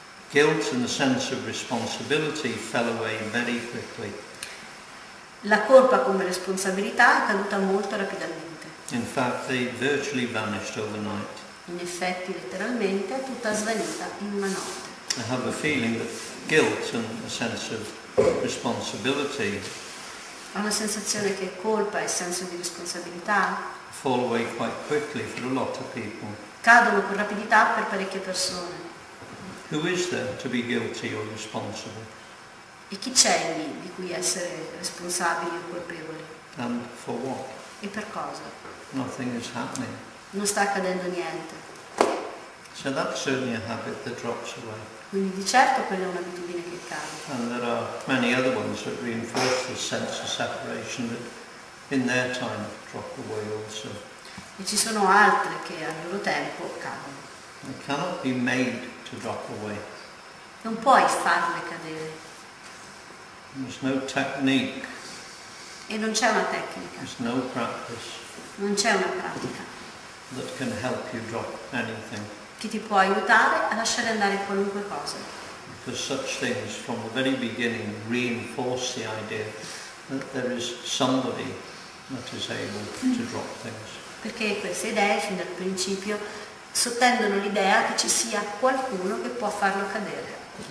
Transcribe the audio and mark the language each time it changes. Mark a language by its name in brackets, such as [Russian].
[English] Guilt and the sense of responsibility fell away very quickly. [Italian] La colpa come responsabilità è caduta molto rapidamente. [English] In fact, they virtually vanished overnight. [Italian] In effetti, letteralmente, è tutta svanita in una notte. [English] I have a feeling that guilt and a sense of responsibility. [Italian] Ha una sensazione che colpa e senso di responsabilità [English] fall away quite quickly for a lot of people. [Italian] Cadono con rapidità per parecchie persone. [English] Who is there to be guilty or responsible? [Italian] E chi c'è lì di cui essere responsabili o colpevoli? [English] And for what? [Italian] E per cosa? [English] Nothing is happening. [Italian] Non sta accadendo niente. [English] So that's certainly a habit that drops away. [Italian] Quindi di certo quella è un'abitudine che cade. [English] And there are many other ones that reinforce the sense of separation that in their time drop away also. [Italian] E ci sono altre che al loro tempo cadono. [English] They cannot be made to drop away. [Italian] Non puoi farle cadere. [English] There's no technique. [Italian] E non c'è una tecnica. [English] There's no practice. [Italian] Non c'è una pratica. [English] That can help you drop anything. [Italian] Che ti può aiutare a lasciare andare qualunque cosa. [English] Because such things from the very beginning reinforce the idea that there is somebody that is able to drop things. [Italian] Perché queste idee fin dal principio sottendono l'idea che ci sia qualcuno che può farlo cadere.